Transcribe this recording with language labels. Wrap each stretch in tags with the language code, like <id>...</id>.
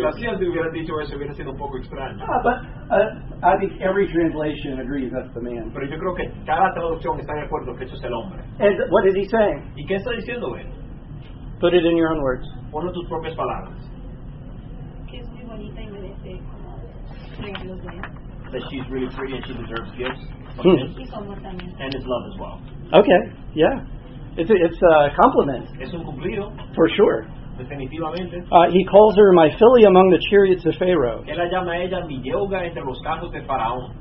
<es>Si las hijas hubieran dicho eso, hubiera sido un poco extraño.</es> <en>But I think every translation agrees that's the man.</en> <es>Pero yo creo que cada traducción está de acuerdo que eso es el hombre.</es> <en>And what is he saying?</en> <es>¿Y qué está diciendo él?</es> <en>Put it in your own words.</en> <es>Ponlo tus propias palabras. Que es muy bonita y merece como regalos de él.</es> <en>That she's really pretty and she deserves gifts. And his love as well. Okay, yeah. It's a compliment.</en> <es>Es un cumplido.</es> <en>For sure.</en> <es>Definitivamente.</es> <en>He calls her my filly among the chariots of Pharaoh.</en> <es>Él la llama a ella mi yegua entre los carros de Faraón.</es>